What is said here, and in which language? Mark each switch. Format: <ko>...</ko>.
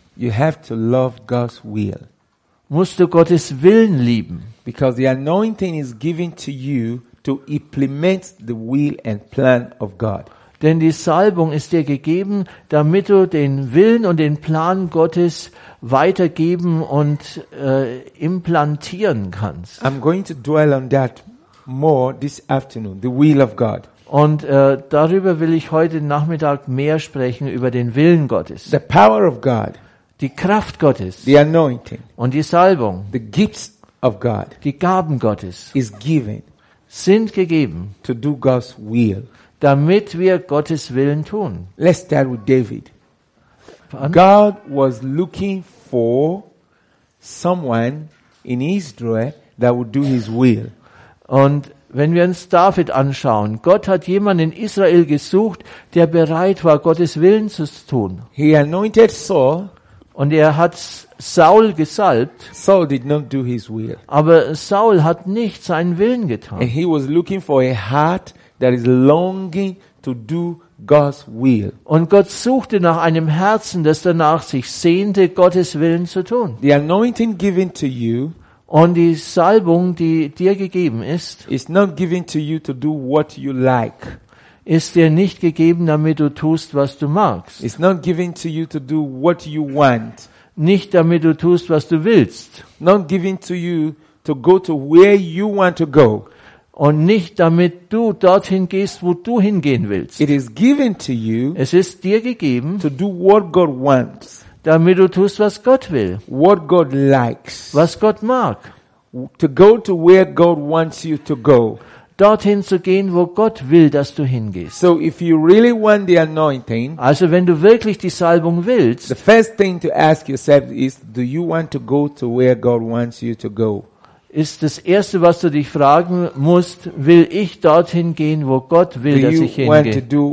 <en>you have to love God's will.</en> <de>Musst du Gottes Willen lieben,</de> <en>because the anointing is given to you to implement the will and plan of God.</en> <de>Denn die Salbung ist dir gegeben, damit du den Willen und den Plan Gottes weitergeben und implantieren kannst.</de> <en>I'm going to dwell on that more this afternoon, the will of God.</en> <de>Und darüber will ich heute Nachmittag mehr sprechen, über den Willen Gottes.</de> <en>The power of God.</en> <de>Die Kraft Gottes.</de> <en>The anointing.</en> <de>Und die Salbung.</de> <en>The gifts of God.</en> <de>Die Gaben Gottes.</de> <en>Is given.</en> <de>Sind gegeben.</de> <en>To do God's will.</en> <de>Damit wir Gottes Willen tun.</de> <en>Let's start with David. God was looking for someone in Israel that would do his will.</en> <de>Und wenn wir uns David anschauen, Gott hat jemanden in Israel gesucht, der bereit war, Gottes Willen zu tun.</de> <en>He anointed Saul.</en> <de>Und er hat Saul gesalbt.</de> <en>Saul did not do his will.</en> <de>Aber Saul hat nicht seinen Willen getan.</de> <en>And he was looking for a heart that is longing to do God's will.</en> <de>Und Gott suchte nach einem Herzen, das danach sich sehnte, Gottes Willen zu tun.</de> <en>The anointing given to you,</en> <de>und die Salbung, die dir gegeben ist,</de> <en>is not given to you to do what you like.</en> <de>Ist dir nicht gegeben, damit du tust, was du magst.</de> <en>It's not given to you to do what you want.</en> <de>Nicht damit du tust, was du willst.</de> <en>Not given to you to go to where you want to go.</en> <de>Und nicht damit du dorthin gehst, wo du hingehen willst.</de> <en>It is given to you.</en> <de>Es ist dir gegeben.</de> <en>To do what God wants.</en> <de>Damit du tust, was Gott will.</de> <en>What God likes.</en> <de>Was Gott mag.</de> <en>To go to where God wants you to go.</en> <de>Dorthin zu gehen, wo Gott will, dass du hingehst.</de> <en>So if you really want the anointing.</en> <de>Also wenn du wirklich die Salbung willst.</de> <en>The first thing to ask yourself is, do you want to go to where God wants you to go?</en> <de>Ist das Erste, was du dich fragen musst, will ich dorthin gehen, wo Gott will, dass ich hingehe?</de>